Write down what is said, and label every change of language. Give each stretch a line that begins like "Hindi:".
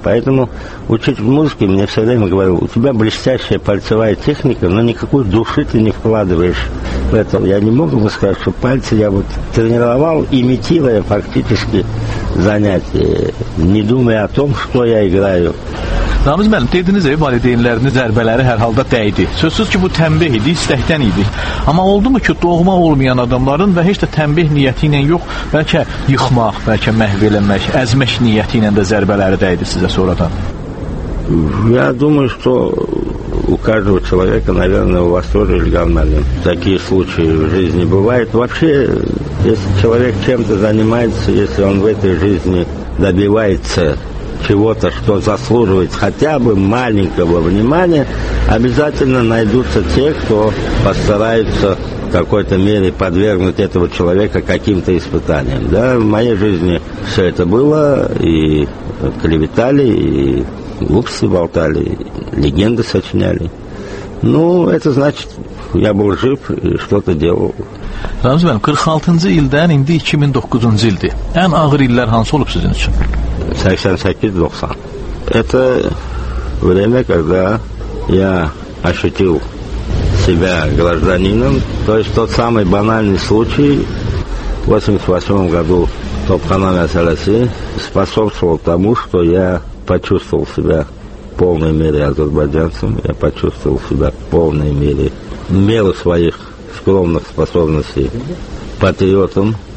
Russian: Поэтому учитель музыки мне все время говорил, у тебя блестящая пальцевая техника, но никакой души ты не вкладываешь в это. Я не мог бы сказать, что пальцы я вот тренировал, имитируя фактически занятия, не думая о том, что я играю.
Azerbaijani: Ramiz müəllim, dediniz ki, valideynlərinin zərbələri hər halda dəydi. Sözsüz ki, bu tənbih idi, istəkdən idi. Amma oldu mu ki, doğma olmayan adamların və heç də tənbih niyyəti ilə yox, bəlkə yıxmaq, bəlkə məhv eləmək, əzmək niyyəti ilə də zərbələri dəydi sizə sonradan?
Russian: Я думаю, что у каждого человека, наверное, у вас тоже, Ильгар Мальин, такие случаи в жизни бывают. Вообще, если человек чем-то занимается, если он в этой жизни добивается чего-то, что заслуживает хотя бы маленького внимания, обязательно найдутся те, кто постарается в какой-то мере подвергнуть этого человека каким-то испытаниям. Да, в моей жизни все это было, и клеветали, и глупости болтали, и легенды сочиняли. Ну, это значит, я был жив и что-то делал.
Azerbaijani: Рамзи Бен, 46-cı ildən indi 2009-cu ildir. Ən ağır illər hansı olub sizin üçün?
Russian: 88-90. Это время, когда я ощутил себя гражданином. То есть тот самый банальный случай в 88-м году Топхана Мясаласи способствовал тому, что я почувствовал себя в полной мере азербайджанцем, я почувствовал себя в полной мере в меру своих скромных способностей патриотом.